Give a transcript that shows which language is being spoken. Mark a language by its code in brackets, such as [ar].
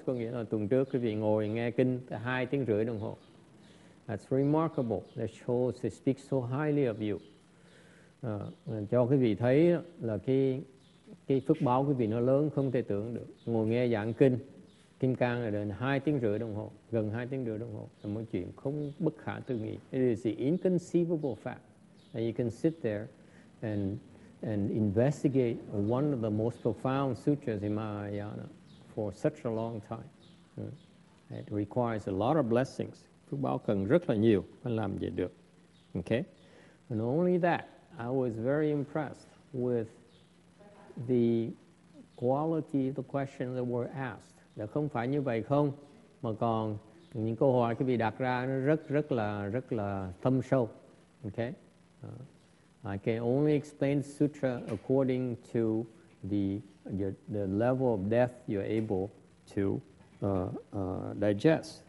[vi] Có nghĩa là tuần trước quý vị ngồi nghe kinh 2 tiếng rưỡi đồng hồ. [en] That's remarkable. That shows they speak so highly of you. [vi] Cho quý vị thấy là cái phước báo quý vị nó lớn không thể tưởng được. Ngồi nghe giảng kinh, Kim Cang là đến 2 tiếng rưỡi đồng hồ, gần 2 tiếng rưỡi đồng hồ. Là một chuyện không bất khả tư nghị. [en] It is the inconceivable fact that you can sit there and investigate one of the most profound sutras in Mahayana for such a long time. It requires a lot of blessings. [vi] Phước báo cần rất là nhiều mới làm vậy được. [en] Okay? And only that, I was very impressed with the quality of the questions that were asked. [vi] Là không phải như vậy không, mà còn những câu hỏi quý vị đặt ra nó rất là thâm sâu. [en] Okay? I can only explain sutra according to the level of depth you're able to digest.